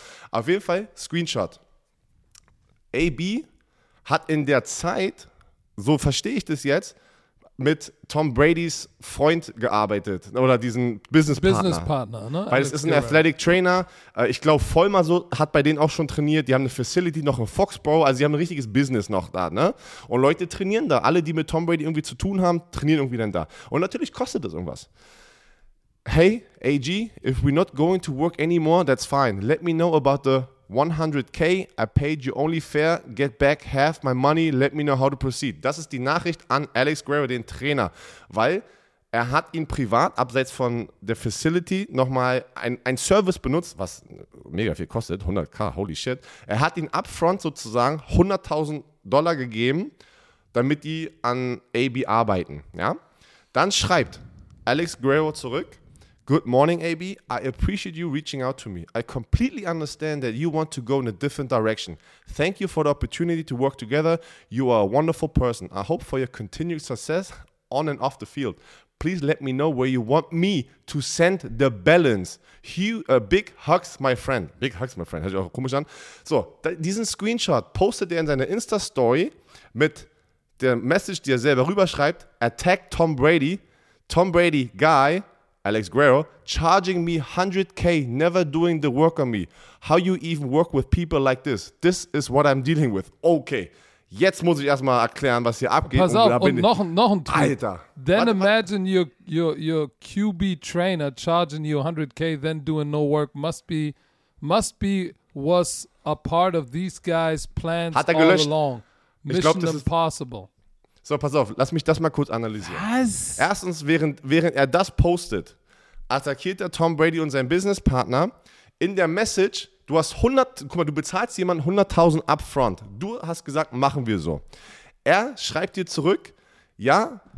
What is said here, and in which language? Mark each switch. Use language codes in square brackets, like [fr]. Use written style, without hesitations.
[de] Auf jeden Fall Screenshot. AB hat in der Zeit, so verstehe ich das jetzt, mit Tom Bradys Freund gearbeitet oder diesen Business-Partner, ne? Weil es ist ein Athletic Trainer. Ich glaube, Vollmer so hat bei denen auch schon trainiert. Die haben eine Facility noch in Foxborough. Also sie haben ein richtiges Business noch da, ne? Und Leute trainieren da. Alle, die mit Tom Brady irgendwie zu tun haben, trainieren irgendwie dann da. Und natürlich kostet das irgendwas. [en] Hey, AG, if we're not going to work anymore, that's fine. Let me know about the 100k, I paid you only fair, get back half my money, let me know how to proceed. [de] Das ist die Nachricht an Alex Guerrero, den Trainer, weil er hat ihn privat, abseits von der Facility, nochmal ein Service benutzt, was mega viel kostet, 100k, [en] holy shit. [de] Er hat ihn upfront sozusagen $100,000 gegeben, damit die an AB arbeiten, ja. Dann schreibt Alex Guerrero zurück: [en] Good morning, AB. I appreciate you reaching out to me. I completely understand that you want to go in a different direction. Thank you for the opportunity to work together. You are a wonderful person. I hope for your continued success on and off the field. Please let me know where you want me to send the balance. Big hugs, my friend. Big hugs, my friend. [de] Hört sich auch komisch an. So, diesen Screenshot postet er in seiner Insta-Story mit der Message, die er selber rüberschreibt. [en] Attack Tom Brady. Tom Brady, guy. Alex Guerrero, charging me 100k, never doing the work on me. How you even work with people like this? This is what I'm dealing with. [de] Okay, jetzt muss ich erstmal erklären, was hier abgeht. Pass auf, und noch ein Trick. Alter. [en] Then imagine your QB trainer charging you 100k, then doing no work. Must be was a part of these guys' plans all along. Mission Impossible. [de] So, pass auf, lass mich das mal kurz analysieren. Was? Erstens, während er das postet, attackiert er Tom Brady und seinen Businesspartner in der Message: Du hast 100, guck mal, du bezahlst jemanden 100.000 upfront. Du hast gesagt, machen wir so. Er schreibt dir zurück: Ja,